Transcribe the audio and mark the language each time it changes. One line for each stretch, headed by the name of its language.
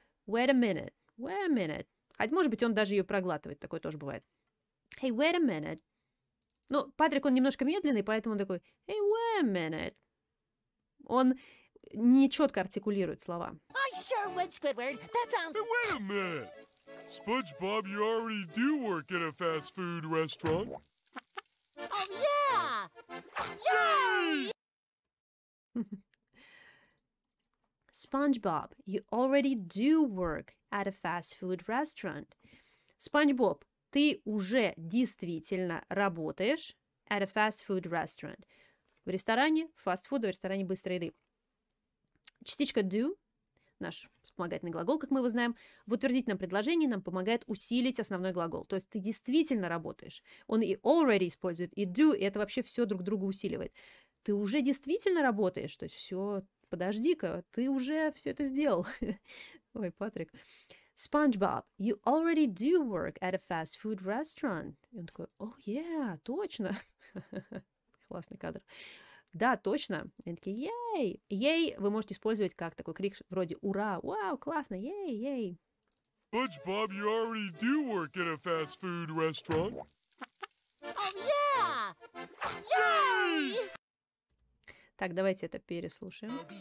English: Wait a minute, wait a minute.
Russian: А может быть, он даже ее проглатывает, такое тоже бывает.
English: Hey, wait a minute.
Russian: Ну, Патрик, он немножко медленный, поэтому он такой,
English: hey, wait a minute.
Russian: Он нечетко артикулирует слова.
English: I sure would, Squidward. That sounds... Hey, wait a minute. SpongeBob, you already do work at a fast food restaurant. Oh, yeah! Yay! SpongeBob, you already do work at a fast food restaurant.
Russian: SpongeBob, ты уже действительно работаешь
English: at a fast food restaurant.
Russian: В ресторане fast food, в ресторане быстрой еды. Частичка do, наш вспомогательный глагол, как мы его знаем, в утвердительном предложении нам помогает усилить основной глагол. То есть ты действительно работаешь. Он и already использует, и do, и это вообще все друг друга усиливает. Ты уже действительно работаешь, то есть все... Подожди-ка, ты уже все это сделал. Ой, Патрик.
English: SpongeBob, you already do work at a fast food restaurant.
Russian: И он такой,
English: oh yeah,
Russian: точно. Классный кадр. Да, точно. И он такой, yay. Yay вы можете использовать как такой крик вроде ура. Вау, классно, yay, yay.
English: SpongeBob, you already do work at a fast food restaurant. Oh yeah! Yay!
Russian: Так, давайте это переслушаем.